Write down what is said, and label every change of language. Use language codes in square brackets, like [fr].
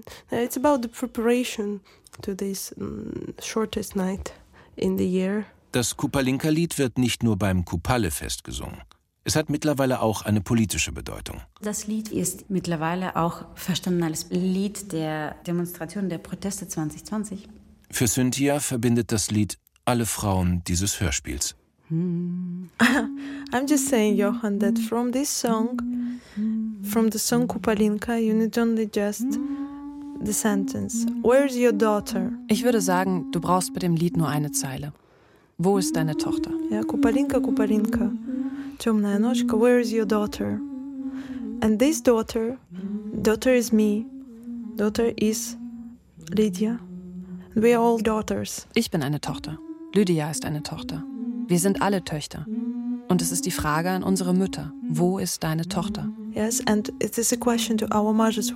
[en] It's about the preparation to this shortest night in the year. [de] Das Kupalinka-Lied wird nicht nur beim Kupale-Fest gesungen. Es hat mittlerweile auch eine politische Bedeutung. Das Lied ist mittlerweile auch verstanden als Lied der Demonstration, der Proteste 2020. Für Cynthia verbindet das Lied alle Frauen dieses Hörspiels. [en] I'm just saying, Johann, that from this song, from the song Kupalinka, you need only just the sentence. Where is your daughter? [de] Ich würde sagen, du brauchst bei dem Lied nur eine Zeile. Wo ist deine Tochter? [en] Ja, Kupalinka, Kupalinka, [ru] Tjomnaya Noshka, [en] where is your daughter? And this daughter, daughter is me, daughter is Lydia. We are all daughters. [de] Ich bin eine Tochter. Lydia ist eine Tochter. Wir sind alle Töchter. Und es ist die Frage an unsere Mütter. Wo ist deine Tochter? [en] Yes, and it is a question to our mothers.